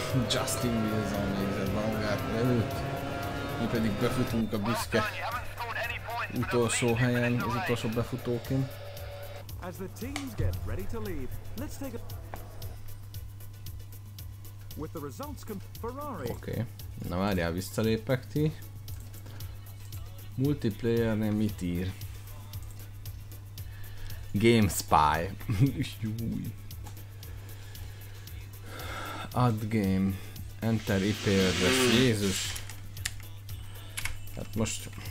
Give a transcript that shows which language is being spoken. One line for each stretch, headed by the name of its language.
Hungarian: Justin Wilson végzett Baumgartner előtt, mi pedig befutunk a büszke utolsó helyen, az utolsó befutókén.
English: As the teams get ready to leave, let's take a... With the results Ferrari.
Hungarian: Oké, na várjál, visszalépek ti. Multiplayer nem mit ír? Game Spy. Júj.
English: Add game. Enter IP address.
Hungarian: Jézus. Hát most...